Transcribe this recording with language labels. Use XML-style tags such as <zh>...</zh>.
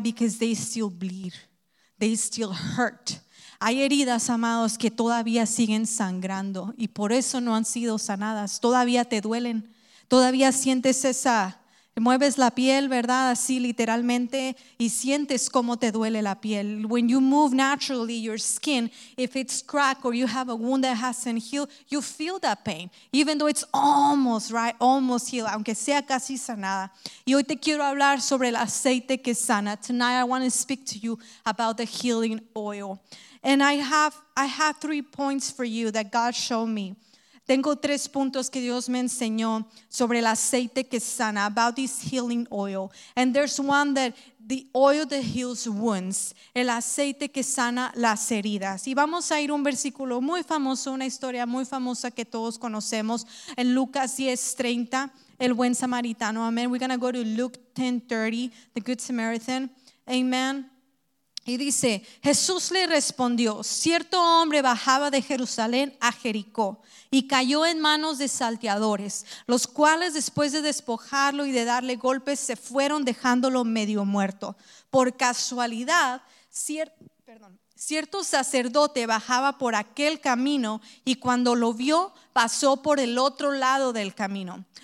<en>Because they still bleed. They still hurt.</en> <es>Hay heridas, amados, que todavía siguen sangrando. Y por eso no han sido sanadas. Todavía te duelen. Todavía sientes esa... Mueves la piel, ¿verdad? Así literalmente, y sientes cómo te duele la piel.</es> <en>When you move naturally your skin, if it's cracked or you have a wound that hasn't healed, you feel that pain, even though it's almost, right? Almost healed,</en> <es>aunque sea casi sanada. Y hoy te quiero hablar sobre el aceite que sana.</es> <en>Tonight I want to speak to you about the healing oil. And I have 3 points for you that God showed me.</en> <es>Tengo 3 puntos que Dios me enseñó sobre el aceite que sana,</es> <en>about this healing oil. And there's one that the oil that heals wounds,</en> <es>el aceite que sana las heridas. Y vamos a ir a un versículo muy famoso, una historia muy famosa que todos conocemos, en Lucas 10:30. el buen samaritano. Amen.</es> <en>We're going to go to Luke 10:30, the Good Samaritan. Amen.</en> <es>Y dice, Jesús le respondió, cierto hombre bajaba de Jerusalén a Jericó y cayó en manos de salteadores, los cuales después de despojarlo y de darle golpes se fueron dejándolo medio muerto. Por casualidad, cierto sacerdote bajaba por aquel camino y cuando lo vio pasó por el otro lado del camino.</es>